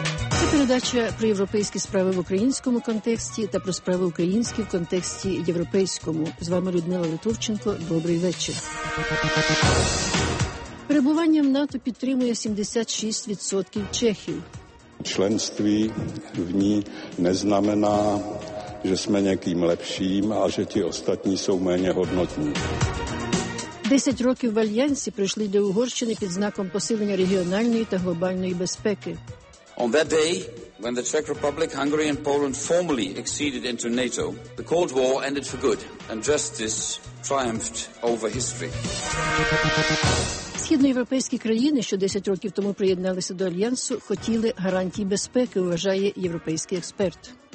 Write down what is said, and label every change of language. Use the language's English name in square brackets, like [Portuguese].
[Ukrainian] Це передача про європейські справи в українському контексті та про справи українські в контексті європейському. З вами Людмила Литовченко. Добрий вечір. Перебування в НАТО підтримує 76% чехів. [Czech] Членství в ní neznamená, že jsme někým lepším a že ti ostatní jsou méně hodnotní. [Ukrainian] 10 років в Альянсі прийшли до Угорщини під знаком посилення регіональної та глобальної безпеки. [English] On that day, when the Czech Republic, Hungary and Poland formally acceded into NATO, the Cold War ended for good and justice triumphed over history. [Ukrainian] Східноєвропейські країни, що 10 років тому приєдналися до Альянсу, хотіли гарантій безпеки, вважає європейський експерт.